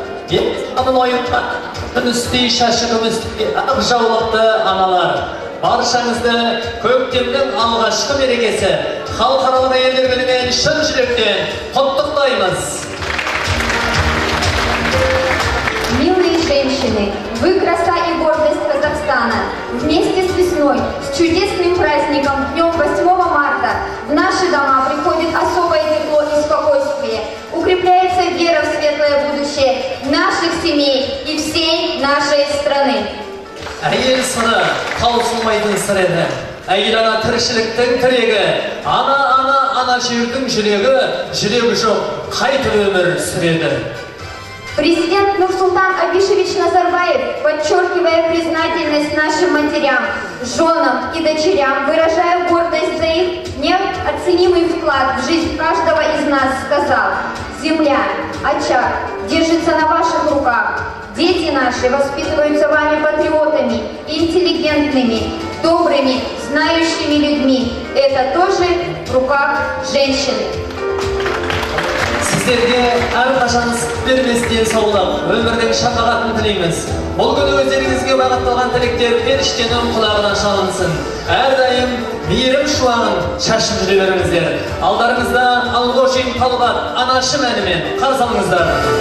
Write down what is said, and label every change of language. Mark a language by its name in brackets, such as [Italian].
[Kazakh] Деп қанын ойыққа, күн үстей шашы күмістікке ақжаулықты аналар. Баршаңызды көктемнің алғашқы мерекесі, халықаралық әйелдер күнімен шын жүректен құттықтаймыз. [Russian] Милые женщины, вы краса и гордость Казахстана. Вместе с весной, с чудесным праздником, днем 8 марта, в наши дома приходит особое тепло и спокойствие. Укрепляется вера в светлое будущее наших семей и всей нашей страны. [Kazakh] Әйел сыны таусылмайтын сыр еді. Әйел ана тіршіліктің тірегі, ана жердің жүрегі, жүрегі жоқ, қай түрлі өмір сүреді. [Russian] Президент Нурсултан Абишевич Назарбаев, подчеркивая признательность нашим матерям, женам и дочерям, выражая гордость за их неоценимый вклад в жизнь каждого из нас, сказал: «Земля, очаг, держится на ваших руках. Дети наши воспитываются вами патриотами, интеллигентными, добрыми, знающими людьми. Это тоже в руках женщин». [Kazakh] Сіздерге әрқашан сіздер мезден саулық, өмірдің шақағатын тілейміз. Бұл күні өздеріңізге бағытталған тілектер періштенің құлағынан шалынсын. Әрдайым мейірім шуағын шашып жүре беріңіздер. Алдарыңызда Алғожин Талғат анашым әнімен қарсы алыңыздар.